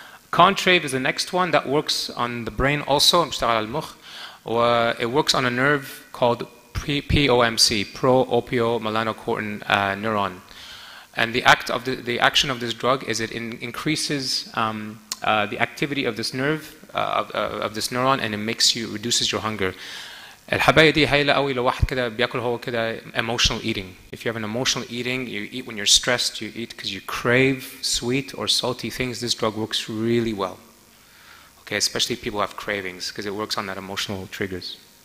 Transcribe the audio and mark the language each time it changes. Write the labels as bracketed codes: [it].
[en] Contrave is the next one that works on the brain also, [ar] بيشتغل على المخ, [en] it works on a nerve called POMC, pro-opio-melanocortin neuron. And the action of this drug is it increases the activity of this nerve, of this neuron, and it makes you, reduces your hunger. [ar] الحباية دي هايلة قوي لو واحد كده بيأكل هو كده [en] emotional eating. If you have an emotional eating, you eat when you're stressed, you eat because you crave sweet or salty things, this drug works really well. Okay, especially people who have cravings because it works on that emotional triggers.